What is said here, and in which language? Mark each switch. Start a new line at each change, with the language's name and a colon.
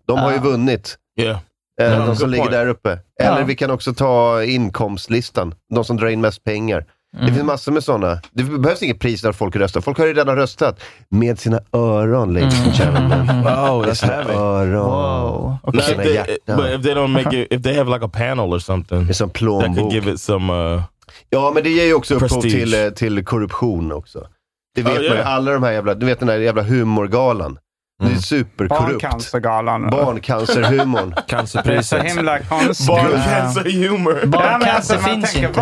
Swedish: De har ju vunnit.
English: Yeah.
Swedish: De som ligger där uppe. Eller vi kan också ta inkomstlistan. De som drar in mest pengar. Mm. Det finns massor med sådana. Det behövs inget pris när folk röstar. Folk har ju redan röstat med sina öron,
English: ladies and gentlemen. Wow, that's heavy. Wow.
Swedish: Okay. Sina hjärtan.
English: But if they don't make it, if they have like a panel or something.
Swedish: Det är som plånbok.
English: That could give it some
Swedish: Ja, men det ger ju också upphov till korruption också. Det vet man ju, alla de här jävla, du vet den här jävla humorgalan. Mm. Det är superkorrupt. Barncancergalan. Barncancerhumorn. Cancerpriset. Så himla konstigt. Barncancerhumor. Barncancer finns inte.